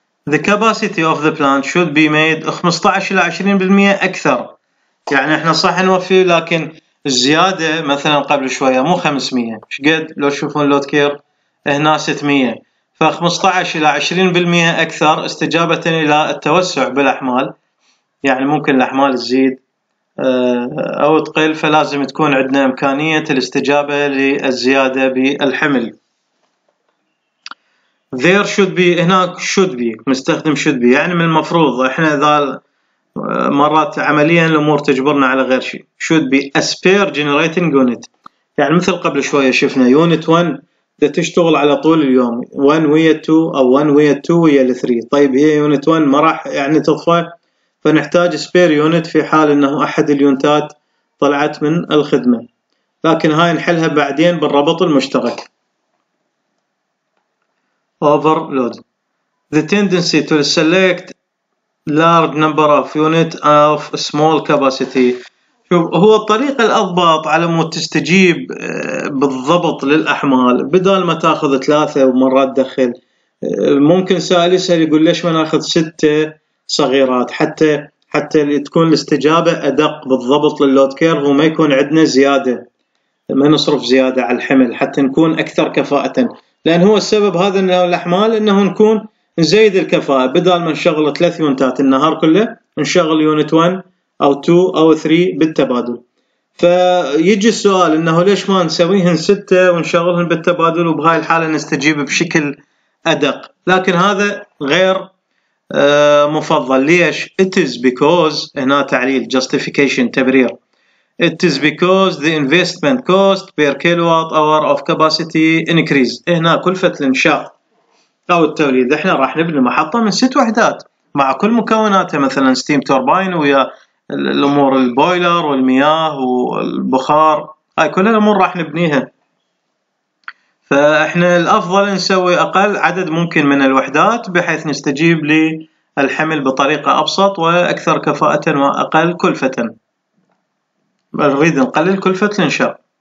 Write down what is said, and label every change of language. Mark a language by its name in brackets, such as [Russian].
[English] The capacity of the plant should be made [Arabic] 15 إلى 20% أكثر، يعني إحنا صح نوفي، لكن الزيادة مثلا قبل شوية مو 500، مش قد لو تشوفون لود كير هنا 600، ف 15 إلى 20% أكثر استجابة إلى التوسع بالأحمال، يعني ممكن الأحمال تزيد أو تقل، فلازم تكون عندنا إمكانية الاستجابة للزيادة بالحمل. [English] There should be، [Arabic] هناك should be، مستخدم should be يعني من المفروض، احنا اذا مرات عمليا الامور تجبرنا على غير شيء. [English] should be a spare generating unit، [Arabic] يعني مثل قبل شوية شفنا [English] unit 1 [Arabic] إذا تشتغل على طول اليوم 1 ويا 2 أو 1 ويا 2 ويا 3، طيب هي يونت 1 ما راح يعني تطفى، فنحتاج سبير يونت في حال أنه أحد اليونتات طلعت من الخدمة، لكن هاي نحلها بعدين بالربط المشترك. [English] Overload. The tendency to select large number of unit of small capacity. [Arabic] هو الطريقة الأضبط على مود تستجيب بالضبط للأحمال، بدل ما تأخذ ثلاثة ومرات تدخل، ممكن سائل يسأل يقول ليش ما نأخذ ستة صغيرات حتى تكون الاستجابة أدق بالضبط للود كيرف، وما يكون عندنا زيادة، ما نصرف زيادة على الحمل حتى نكون أكثر كفاءة، لأن هو السبب هذا الأحمال أنه نكون نزيد الكفاءة، بدل ما نشغل ثلاث يونتات النهار كله نشغل يونت 1 أو 2 أو 3 بالتبادل. فيجي السؤال أنه ليش ما نسويهن 6 ونشغلهن بالتبادل وبهاي الحالة نستجيب بشكل أدق، لكن هذا غير مفضل. ليش؟ [English] It is because، [Arabic] هنا تعليل [English] justification [Arabic] تبرير، [English] It is because the investment cost per kilowatt hour of capacity increase. [Arabic] هنا كلفة الإنشاء أو التوليد، إحنا راح نبني محطة من 6 وحدات مع كل مكوناتها، مثلا steam turbine ويا الأمور البويلر والمياه والبخار، هاي كل الأمور راح نبنيها، فإحنا الأفضل نسوي أقل عدد ممكن من الوحدات بحيث نستجيب للحمل بطريقة أبسط وأكثر كفاءة وأقل كلفة، نريد نقلل كلفة الإنشاء.